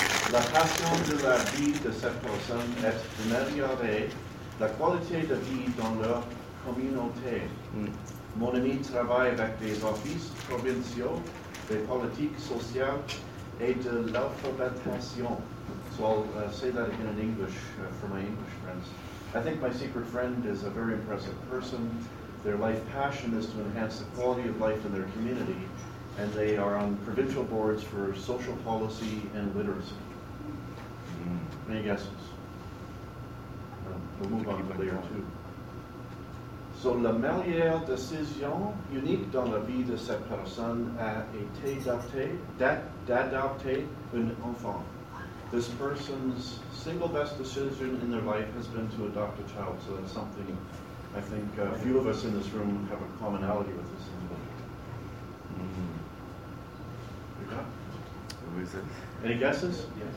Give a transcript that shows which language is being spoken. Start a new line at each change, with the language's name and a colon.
French: La passion de la vie de cette personne est d'améliorer la qualité de vie dans leur communauté. Mon ami travaille avec des offices provinciaux, des politiques sociales et de l'alphabetisation.
English: So I'll say that again in English for my English friends. I think my secret friend is a very impressive person. Their life passion is to enhance the quality of life in their community and they are on provincial boards for social policy and literacy. Mm. Any guesses? We'll move on to layer two. So
French: la meilleure décision unique dans la vie de cette personne a été d'adopter un enfant.
English: This person's single best decision in their life has been to adopt a child. So that's something I think a few of us in this room have a commonality with this individual. Who is it? Any guesses? Yes.